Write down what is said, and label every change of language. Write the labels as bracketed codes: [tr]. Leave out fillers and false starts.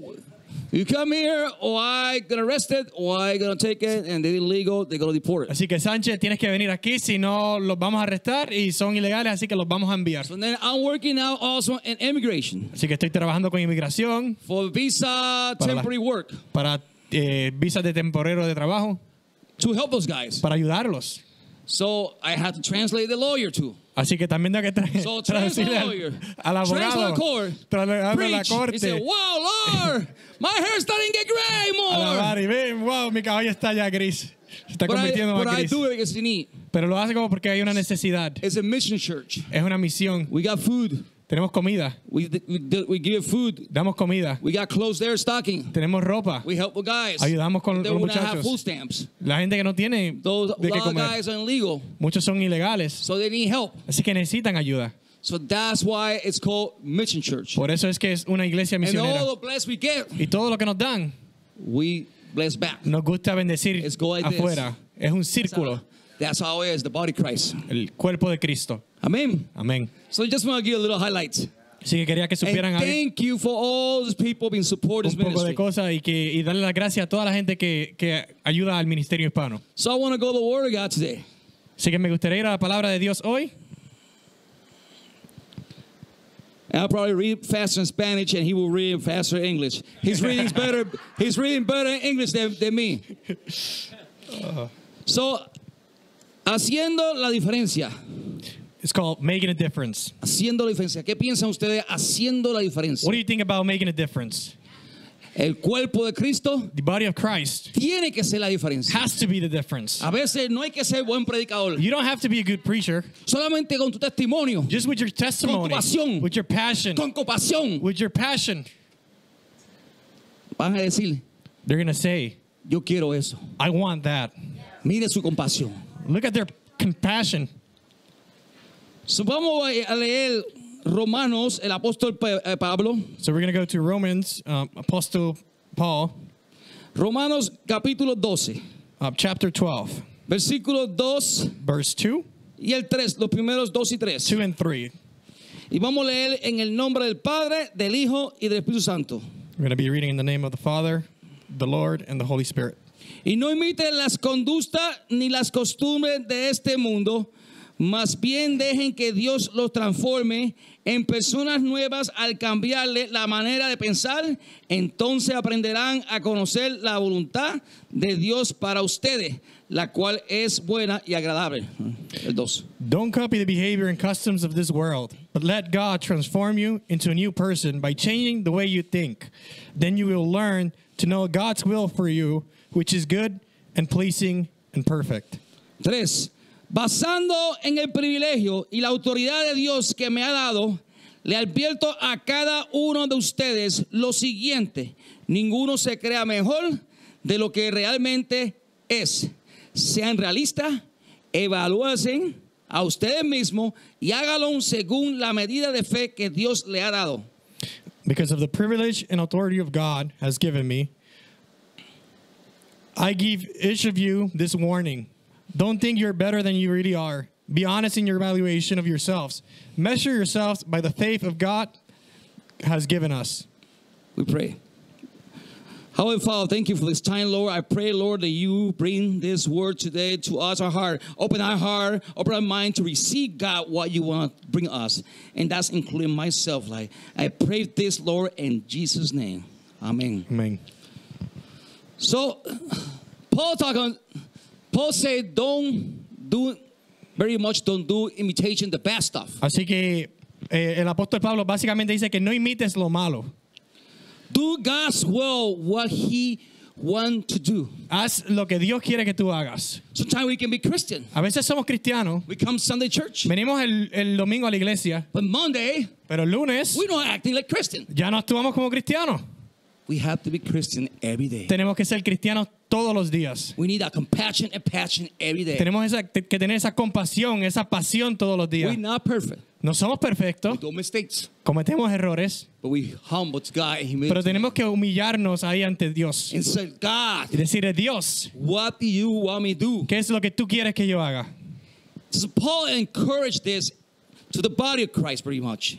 [en] Sanchez, you come here, or I get arrested, or I gonna take it, and they're illegal, they're gonna deport it. [es] Así que Sanchez, tienes que venir aquí, si no los vamos a arrestar y son ilegales, así que los vamos a enviar. [en] So then I'm working now also in immigration. [es] Así que estoy trabajando con inmigración. [en] For visa temporary work. [es] Para visas de temporero de trabajo. [en] To help those guys. [es] Para ayudarlos. [en] So I had to translate the lawyer too. [es] Así que también tengo que traducirle al abogado. [en] Translate [es] la corte. [en] He said, "Wow, Lord, my hair is starting to get gray more." [es] Wow, mi cabello está ya gris. Se está convirtiendo más gris. [en] But I do it because you need. [es] Pero lo hace como porque hay una necesidad. [en] It's a mission church. [es] Es una misión. [en] We got food. [es] Tenemos comida. [en] We give food. [es] Damos comida. [en] We got clothes there stocking. [es] Tenemos ropa. [en] We help the guys. [es] Ayudamos con los muchachos. [en] Have food stamps. [es] La gente que no tiene [en] those, [es] de qué comer. [en] Guys are illegal. [es] Muchos son ilegales. [en] So they need help. [es] Así que necesitan ayuda. [en] So that's why it's called mission church. [es] Por eso es que es una iglesia misionera. [en] And all the bless we get, [es] y todo lo que nos dan. [en] We bless back. [es] Nos gusta bendecir afuera. [en] This. [es] Es un círculo. [en] That's how it is, the body of Christ. [es] El cuerpo de Cristo. [en] Amen. [es] Amen. [en] So just want to give you a little highlights. [es] Así que quería que supieran [en] and thank you for all those people being supporting this ministry. [es] Un poco de cosa y darle las gracias a toda la gente que ayuda al ministerio hispano. [en] So I want to go to the Word of God today. [es] Así que me gustaría ir a la palabra de Dios hoy. [en] And I'll probably read faster in Spanish and he will read faster in English. He's reading better. He's reading better in English than me. [es] So haciendo la diferencia. [en] It's called making a difference. [es] Haciendo la diferencia. ¿Qué piensan ustedes haciendo la diferencia? [en] What do you think about making a difference? [es] El cuerpo de Cristo. [en] The body of Christ. [es] Tiene que ser la diferencia. [en] Has to be the difference. [es] A veces no hay que ser buen predicador. [en] You don't have to be a good preacher. [es] Solamente con tu testimonio. [en] Just with your testimony. [es] Con tu pasión. [en] With your passion. [es] Con compasión. [en] With your passion. [es] Van a decir. [en] They're going to say. [es] Yo quiero eso. [en] I want that. [es] Mire su compasión. [en] Look at their compassion. [es] So vamos a leer Romanos, el apóstol Pablo. [en] So we're going to go to Romans, Apostle Paul. [es] Romanos capítulo 12. [en] Chapter 12. [es] Versículo 2. [en] Verse 2. [es] Y el 3, los primeros 2 y 3. [en] 2 and 3. [es] Y vamos a leer en el nombre del Padre, del Hijo y del Espíritu Santo. [en] We're going to be reading in the name of the Father, the Lord, and the Holy Spirit. [es] Y no imiten las conductas ni las costumbres de este mundo, más bien dejen que Dios los transforme en personas nuevas al cambiarle la manera de pensar. Entonces aprenderán a conocer la voluntad de Dios para ustedes, la cual es buena y agradable. El 2. [en] Don't copy the behavior and customs of this world, but let God transform you into a new person by changing the way you think. Then you will learn to know God's will for you, which is good and pleasing and perfect. 3. [es] Basando en el privilegio y la autoridad de Dios que me ha dado, le advierto a cada uno de ustedes lo siguiente: ninguno se crea mejor de lo que realmente es. Sean realistas, evalúense a ustedes mismos y hágalo según la medida de fe que Dios le ha dado. [en] Because of the privilege and authority of God has given me, I give each of you this warning. Don't think you're better than you really are. Be honest in your evaluation of yourselves. Measure yourselves by the faith of God has given us. We pray. Heavenly Father, thank you for this time, Lord. I pray, Lord, that you bring this word today to us, our heart. Open our heart, open our mind to receive, God, what you want to bring us. And that's including myself. Like, I pray this, Lord, in Jesus' name. Amen. Amen. So, Paul said, don't do very much, don't do imitation the bad stuff. [es] Así que el apóstol Pablo básicamente dice que no imites lo malo. [en] Do God's will, what he wants to do. [es] Haz lo que Dios quiere que tú hagas. [en] Sometimes we can be Christian. [es] A veces somos cristianos. [en] We come Sunday church. [es] Venimos el domingo a la iglesia. [en] But Monday, [es] pero el lunes, [en] we're not acting like Christian. [es] Ya no actuamos como cristianos. [en] We have to be Christian every day. [es] Tenemos que ser cristianos todos los días. [en] We need that compassion and passion every day. [es] Tenemos que tener esa compasión, esa pasión todos los días. [en] We're not perfect. [es] No somos perfectos. [en] We do mistakes. [es] Cometemos errores. [en] But we humble to God and humility. [es] Pero tenemos que humillarnos ahí ante Dios. [en] And say, God, [es] y decirle, Dios, [en] what do you want me to do? [es] ¿Qué es lo que tú quieres que yo haga? [en] So Paul encouraged this to the body of Christ pretty much.